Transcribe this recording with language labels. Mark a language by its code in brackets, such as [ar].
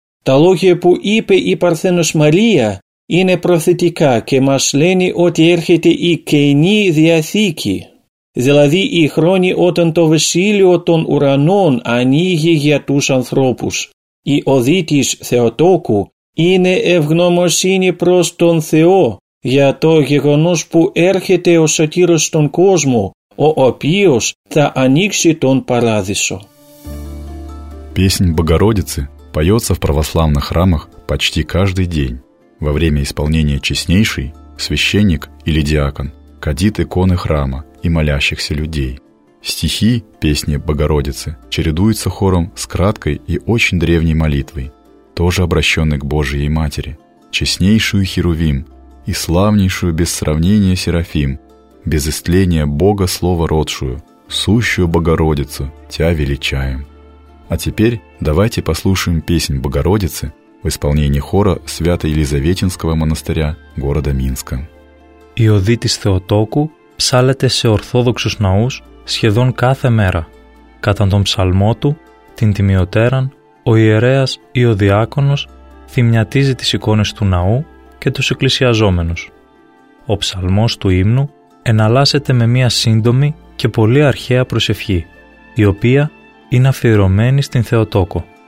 [el] Τα λόγια που είπε η Παρθένος Μαρία είναι προθετικά και μας λένε ότι έρχεται η Καινή Διαθήκη, δηλαδή η χρόνη όταν το βασίλειο των ουρανών ανοίγει για τους ανθρώπους. Η οδή της Θεοτόκου είναι ευγνωμοσύνη προς τον Θεό για το γεγονός που έρχεται ο Σωτήρος στον κόσμο, ο οποίος θα ανοίξει τον Παράδεισο. [ru] Песнь Богородицы поется в православных храмах почти каждый день. Во время исполнения Честнейшей священник или диакон кадит иконы храма и молящихся людей. Стихи песни Богородицы чередуются хором с краткой и очень древней молитвой, тоже обращенной к Божией Матери, [cu] Честнейшую Херувим и славнейшую без сравнения Серафим, без истления Бога Слово родшую, сущую Богородицу Тя величаем. [ru] А теперь давайте послушаем песнь Богородицы в исполнении хора Свято-Елизаветинского монастыря города Минска. [el] Η οδή της Θεοτόκου ψάλλεται σε ορθόδοξους ναούς σχεδόν κάθε μέρα. Κατά τον ψαλμό του, την Τιμιωτέραν, ο ιερέας ή ο διάκονος θυμιατίζει τις εικόνες του ναού και τους εκκλησιαζόμενους. Ο ψαλμός του ύμνου εναλλάσσεται με μια σύντομη και πολύ αρχαία προσευχή, η οποία είναι αφιερωμένη στην Θεοτόκο.